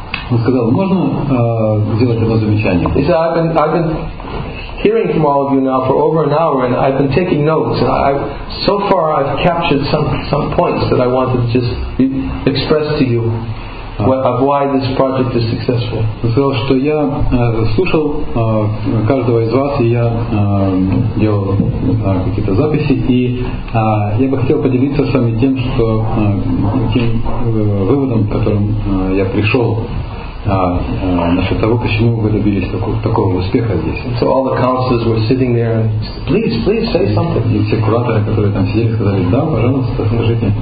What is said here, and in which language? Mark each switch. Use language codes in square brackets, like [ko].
[ru] Он сказал, можно сделать одно замечание. [en] He said, "I've been hearing from all of you now for over an hour, and I've been taking notes. And so far, I've captured some points that I wanted to just express to you." Of why this project is successful. [ru] Сказал, что я слушал каждого из вас, и я делал какие-то записи, и я бы хотел поделиться с вами тем, что тем выводом, к которым я пришел, насчет того, почему вы добились такого успеха здесь. [en] So all the counselors were sitting there and said, please say something. [ru] И все кураторы, которые там сидели, сказали, да, пожалуйста, скажите.